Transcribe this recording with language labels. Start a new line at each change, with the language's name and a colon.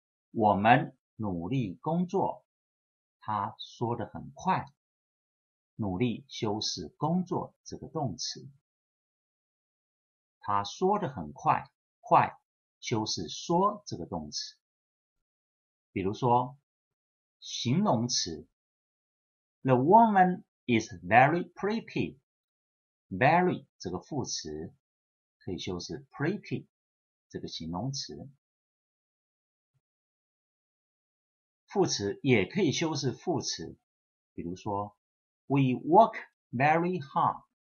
Chinese: 我们努力工作，他说得很快。努力修饰工作这个动词。他说得很快，快修饰说这个动词。比如说形容词
English: ,The woman is very pretty.
Chinese: Very 这个副词可以修饰 pretty 这个形容词。副词也可以修饰副词，比如说 ,
English: We work very hard.